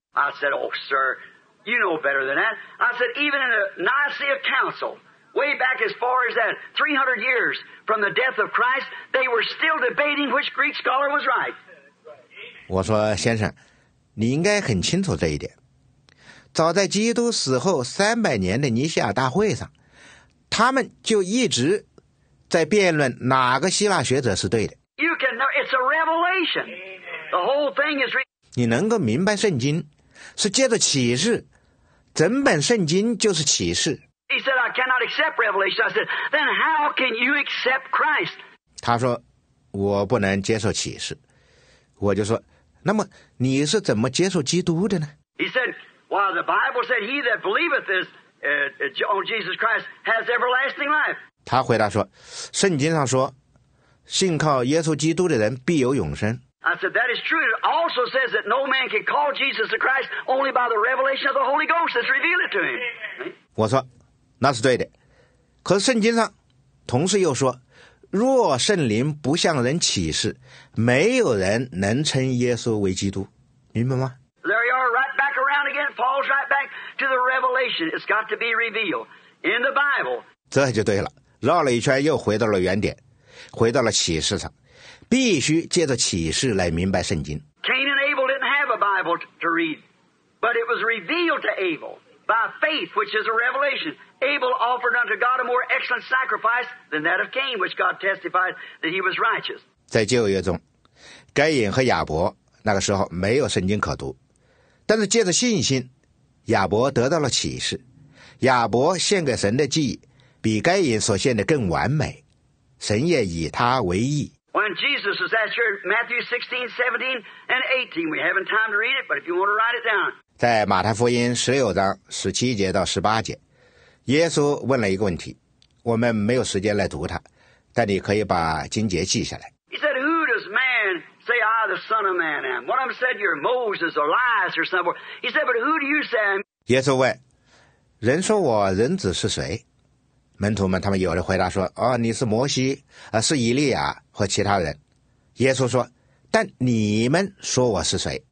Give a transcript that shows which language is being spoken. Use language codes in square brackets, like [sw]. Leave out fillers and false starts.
[en] I said, oh, sir, you know better than that. I said, even in the Nicaea Council,way back as far as that 300 years from the death of Christ, they were still debating which Greek scholar was right. [zh] 我说，先生，你应该很清楚这一点。早在基督死后300年的尼西亚大会上，他们就一直在辩论哪个希腊学者是对的。 [en] You can know, it's a revelation. The whole thing is. [zh] 你能够明白圣经，是借着启示，整本圣经就是启示。 [en] He said, I cannot accept revelation. I said, then how can you accept Christ? [zh] 他说，我不能接受启示。我就说，那么你是怎么接受基督的呢？ [en] He said, well, the Bible said, he that believeth is, on Jesus Christ has everlasting life. [zh] 他回答说，圣经上说，信靠耶稣基督的人必有永生。 [en] I said, that is true. It also says that no man can call Jesus the Christ only by the revelation of the Holy Ghost that's revealed to him. [zh] 我说，那是对的，可是圣经上同时又说，若圣灵不向人启示，没有人能称耶稣为基督，明白吗？ [en] There you are, right back around again. Paul's right back to the revelation. It's got to be revealed in the Bible. [zh] 这就对了，绕了一圈又回到了原点，回到了启示上，必须借着启示来明白圣经。 [en] Cain and Abel didn't have a Bible to read, but it was revealed to Abel by faith, which is a revelation. Abel offered unto God a more excellent sacrifice than that of Cain, which God testified that he was righteous. [zh] 在旧约中，该隐和亚伯那个时候没有圣经可读，但是借着信心，亚伯得到了启示。亚伯献给神的祭比该隐所献的更完美，神也以他为义。 [en] When Jesus was at your Matthew 16, 17, and 18, we haven't time to read it, but if you want to write it down. [zh] 在马太福音16章17节到18节，耶稣问了一个问题，我们没有时间来读它，但你可以把经节记下来。 [en] He said, Who does man say I, the Son of Man, am? One of them said, You're Moses or Elias or somewhere. He said, But who do you say I'm? [zh] 耶稣问，人说我人子是谁？门徒们他们有的回答说，哦，你是摩西，是以利亚和其他人。耶稣说，但你们说我是谁？